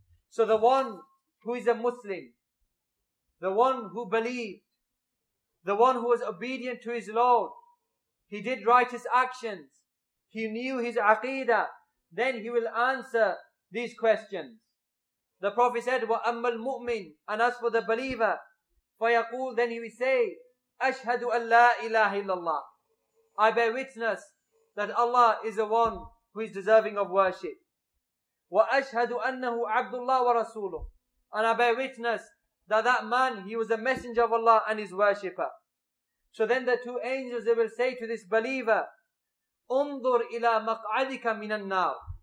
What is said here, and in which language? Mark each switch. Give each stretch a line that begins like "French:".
English: So the one who is a Muslim, the one who believed, the one who was obedient to his Lord, he did righteous actions, he knew his aqeedah, then he will answer these questions. The Prophet said,
Arabic: وَأَمَّا الْمُؤْمِنِ.
English: And as for the believer,
Arabic: فَيَقُولُ.
English: Then he will say,
Arabic: أَشْهَدُ أَنْ لَا إِلَهَ إِلَّا اللَّهِ.
English: I bear witness that Allah is the one who is deserving of worship.
Arabic: وَأَشْهَدُ أَنَّهُ عَبْدُ اللَّهِ وَرَسُولُهُ.
English: And I bear witness that that man, he was a messenger of Allah and his worshipper. So then the two angels, they will say to this believer,
Arabic: أُنظُرْ إِلَى مَقْعَدِكَ مِنَ النَّارِ.